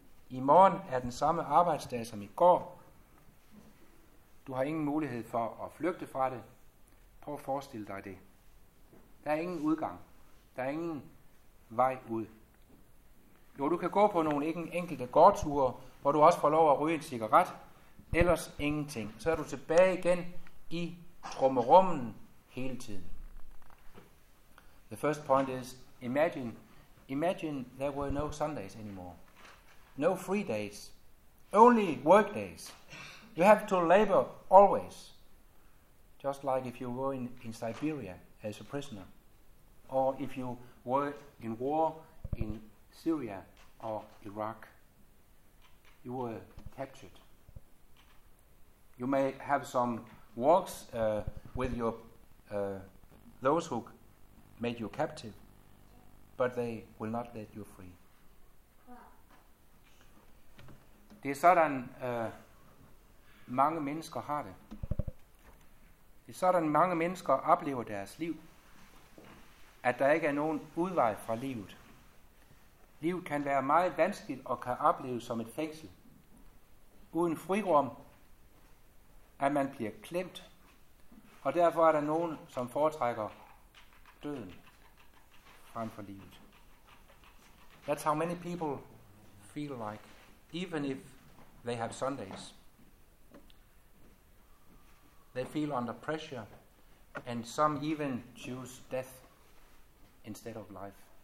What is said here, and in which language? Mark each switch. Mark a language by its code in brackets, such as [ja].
[da] I morgen er den samme arbejdsdag som i går. Du har ingen mulighed for at flygte fra det. Prøv at forestille dig det. Der er ingen udgang. Der er ingen vej ud. Jo, du kan gå på nogle ikke enkelte gårdture, hvor du også får lov at ryge en cigaret, ellers ingenting. Så er du tilbage igen i trummerummen hele tiden. [en] The first point is, imagine there were no Sundays anymore. No free days. Only work days. You have to labor always. Just like if you were in Siberia as a prisoner. Or if you were in war in Syria or Iraq. You were captured. You may have some walks with your those who made you captive, but they will not let you free. [da] Det er sådan mange mennesker har det. Det er sådan mange mennesker oplever deres liv, at der ikke er nogen udvej fra livet. Livet kan være meget vanskeligt og kan opleves som et fængsel. Uden frirum, at man bliver klemt, og derfor er der nogen, som foretrækker døden frem for livet. [en] That's how many people feel like, even if they have Sundays. They feel under pressure, and some even choose death instead of life.